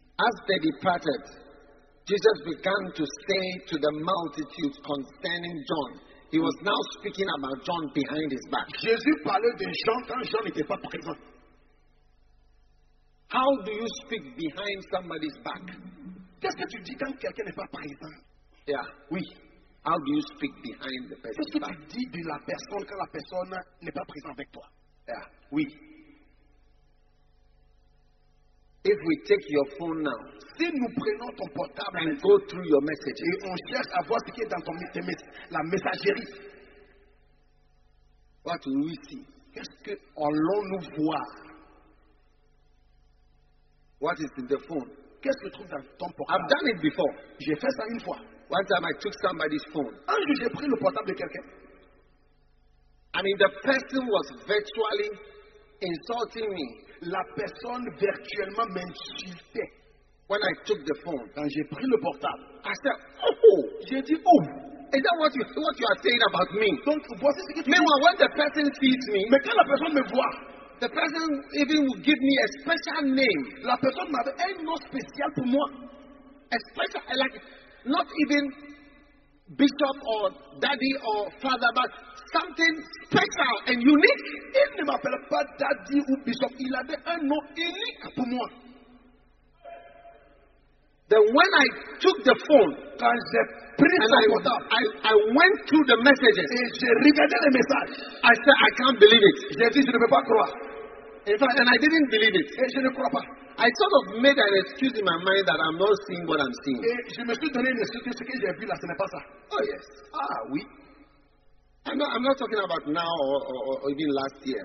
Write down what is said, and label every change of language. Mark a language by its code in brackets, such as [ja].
[en] as they departed, Jesus began to say to the multitude concerning John. He was now speaking about John behind his back. [fr] Jésus parlait de Jean quand Jean n'était pas présent. [en] How do you speak behind somebody's back? [fr] Qu'est-ce que tu dis quand quelqu'un n'est pas présent? [en] Yeah. [fr] Oui. [en] How do you speak behind the person's back? [fr] Qu'est-ce que tu dis de la personne quand la personne n'est pas présente avec toi? [en] Yeah. [fr] Oui. [en] If we take your phone now, [fr] si nous prenons ton portable [en] and go through your messages, [fr] et on cherche à voir ce qui est dans ton la messagerie, [en] what will we see? [fr] Qu'est-ce que allons-nous voir? [en] What is in the phone? [fr] Qu'est-ce que tu trouves dans ton portable? [en] I've done it before. [fr] J'ai fait ça une fois. [en] One time I took somebody's phone. [fr] Un jour j'ai pris le portable de quelqu'un. [en] I mean, the person was virtually insulting me. [fr] La personne virtuellement m'insultait. [en] When I took the phone, [fr] quand j'ai pris le portable, [en] I said, oh, [fr] j'ai dit oh. [en] Is that what you are saying about me? [fr] Donc voici ce que tu [en] dis. Meanwhile, when the person sees me, [fr] mais quand la personne me voit, [en] the person even would give me a special name. [fr] La personne m'avait un nom spécial pour moi. [en] A special, like, not even bishop or daddy or father, but something special and unique. [fr] Il ne m'appelle pas daddy ou bishop. Il avait un nom unique pour moi. [en] Then when I took the phone, [fr] quand j'ai pris [en] and I went through the messages, [fr] et j'ai regardé les messages, [en] I said, I can't believe it. [fr] J'ai dit, je ne peux pas croire. [en] And I didn't believe it. [fr] Et je ne crois pas. [en] I sort of made an excuse in my mind that I'm not seeing what I'm seeing. [fr] Et je me suis donné une excuse, ce que j'ai vu là, ce n'est pas ça. [en] Oh yes. [fr] Ah oui. [en] I'm not talking about now or even last year.